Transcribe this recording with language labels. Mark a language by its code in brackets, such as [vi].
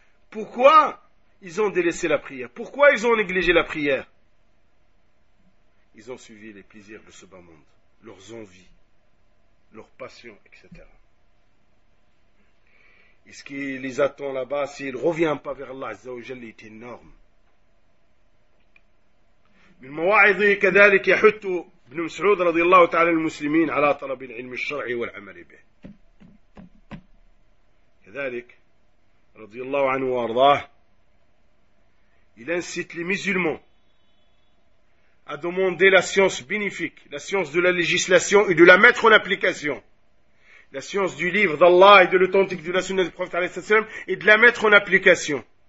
[fr] Pourquoi ils ont délaissé la prière? Pourquoi ils ont négligé la prière? Ils ont suivi les plaisirs de ce bas monde, leurs envies, leurs passions, etc. Et ce qui les attend là-bas, s'ils ne reviennent pas vers Allah, Azzawajal, est énorme. [ar] من مواعظه كذلك يحث ابن مسعود رضي الله تعالى المسلمين على طلب العلم الشرعي والعمل به. كذلك رضي الله عنه وارضاه [fr] il incite les musulmans à demander la science bénéfique, la science de la législation et de la mettre en application. La science du livre d'Allah et de l'authentique de la sunna du prophète sallallahu alayhi wa sallam et de la mettre en application.